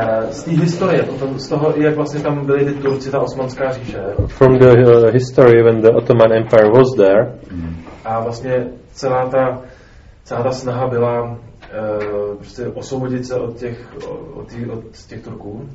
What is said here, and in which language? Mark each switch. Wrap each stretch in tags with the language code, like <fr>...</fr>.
<cs>Z té historie, potom z toho, jak vlastně tam byly ty Turci, ta Osmanská říše.</cs> <en>From the history when the Ottoman Empire was there.</en> <cs>A vlastně celá ta snaha byla prostě osvobodit se od těch Turků.</cs>